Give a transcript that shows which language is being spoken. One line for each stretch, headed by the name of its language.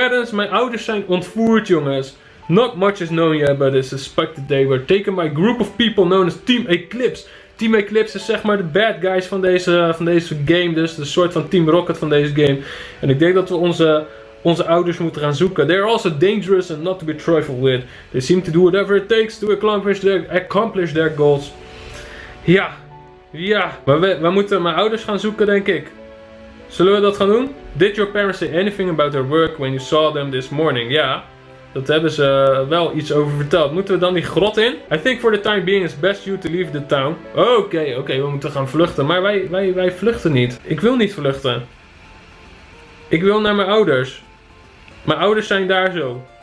Dutch: Mijn ouders zijn ontvoerd, jongens.
English: Not much is known yet, but it's suspected they were taken by a group of people known as Team Eclipse.
Dutch: Team Eclipse is zeg maar de bad guys van deze game. Dus de soort van Team Rocket van deze game. En ik denk dat we onze ouders moeten gaan zoeken.
English: They're also dangerous and not to be trifled with. They seem to do whatever it takes to accomplish their goals.
Dutch: Ja. We moeten mijn ouders gaan zoeken, denk ik. Zullen we dat gaan doen?
English: Did your parents say anything about their work when you saw them this morning?
Dutch: Ja. Dat hebben ze wel iets over verteld. Moeten we dan die grot in?
English: I think for the time being it's best you to leave the town.
Dutch: Oké, we moeten gaan vluchten. Maar wij vluchten niet. Ik wil niet vluchten. Ik wil naar mijn ouders. Mijn ouders zijn daar zo.